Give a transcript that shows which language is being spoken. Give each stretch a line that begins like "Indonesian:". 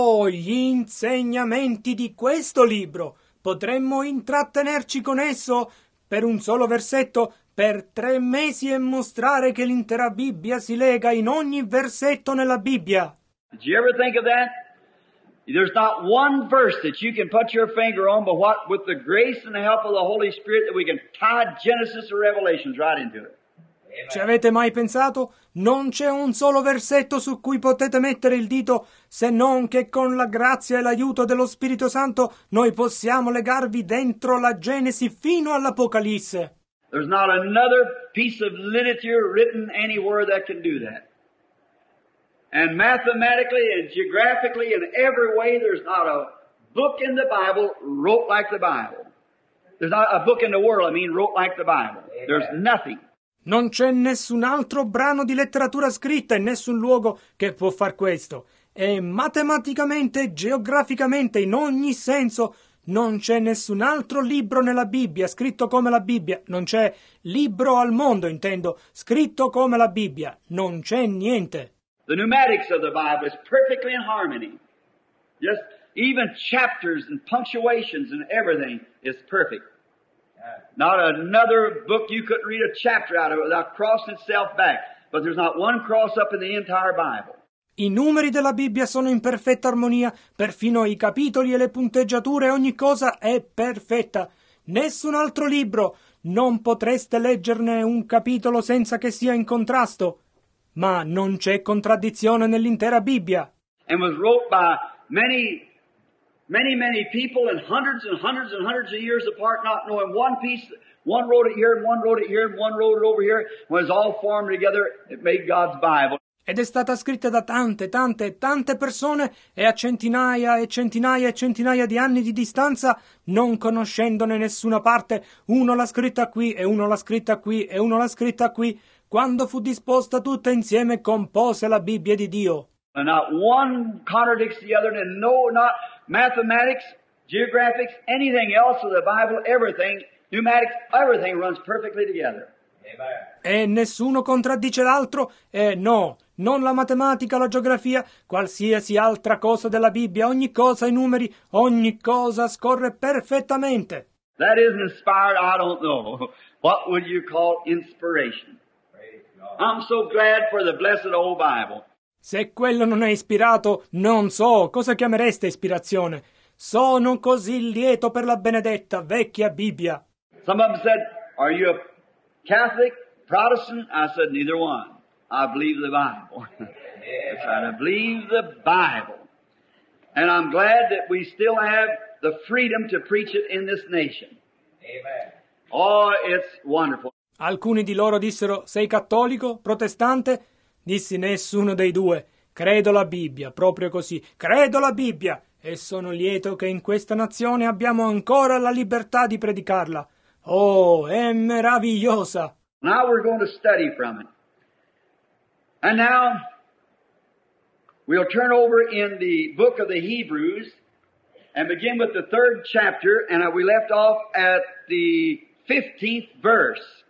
Italian: Gli insegnamenti di questo libro, potremmo intrattenerci con esso per un solo versetto per 3 mesi e mostrare che l'intera Bibbia si lega in ogni versetto nella Bibbia.
English: Did you ever think of that? There's not one verse that you can put your finger on, but what, with the grace and the help of the Holy Spirit, that we can tie Genesis or Revelations right into it.
Italian: Ci avete mai pensato? Non c'è un solo versetto su cui potete mettere il dito, se non che con la grazia e l'aiuto dello Spirito Santo noi possiamo legarvi dentro la Genesi fino all'Apocalisse.
English: There's not another piece of literature written anywhere that can do that. And mathematically and geographically in every way, there's not a book in the Bible wrote like the Bible. There's not a book in the world, I mean, wrote like the Bible. There's nothing.
Italian: Non c'è nessun altro brano di letteratura scritta in nessun luogo che può far questo. E matematicamente, geograficamente, in ogni senso, non c'è nessun altro libro nella Bibbia scritto come la Bibbia. Non c'è libro al mondo, intendo, scritto come la Bibbia. Non c'è niente.
English: The pneumatics of the Bible is perfectly in harmony. Just even chapters and punctuations and everything is perfect. Not another book you couldn't read a chapter out of it without crossing itself back. But there's not one cross up in the entire Bible.
Italian: I numeri della Bibbia sono in perfetta armonia, perfino i capitoli e le punteggiature, ogni cosa è perfetta. Nessun altro libro, non potreste leggerne un capitolo senza che sia in contrasto. Ma non c'è contraddizione nell'intera Bibbia.
English: And was wrote by many, many, many people and hundreds and hundreds and hundreds of years apart, not knowing one piece. One wrote it here and one wrote it here and one wrote it over here. When it was all formed together, it made God's Bible.
Italian: Ed è stata scritta da tante, tante, tante persone e a centinaia e centinaia e centinaia di anni di distanza, non conoscendone nessuna parte. Uno l'ha scritta qui e uno l'ha scritta qui e uno l'ha scritta qui. Quando fu disposta tutta insieme, compose la Bibbia di Dio.
English: And not one contradicts the other, and no, not mathematics, geographics, anything else of the Bible, everything, pneumatics, everything runs perfectly together.
Italian: E nessuno contraddice l'altro? No, non la matematica, la geografia, qualsiasi altra cosa della Bibbia, ogni cosa, i numeri, ogni cosa scorre perfettamente.
English: That is inspired, I don't know. What would you call inspiration? I'm so glad for the blessed old Bible.
Italian: Se quello non è ispirato, non so cosa chiameresti ispirazione. Sono così lieto per la benedetta vecchia Bibbia.
English: Some of them said, are you a Catholic, Protestant? I said, neither one. I believe the Bible. That's right, I believe the Bible. And I'm glad that we still have the freedom to preach it in this nation. Amen. Oh, it's wonderful.
Italian: Alcuni di loro dissero, sei cattolico, protestante? Dissi, nessuno dei due. Credo la Bibbia, proprio così. Credo la Bibbia! E sono lieto che in questa nazione abbiamo ancora la libertà di predicarla. Oh, è meravigliosa!
English: Now we're going to study from it. And now, we'll turn over in the book of the Hebrews, and begin with the third chapter, and we left off at the 15th verse.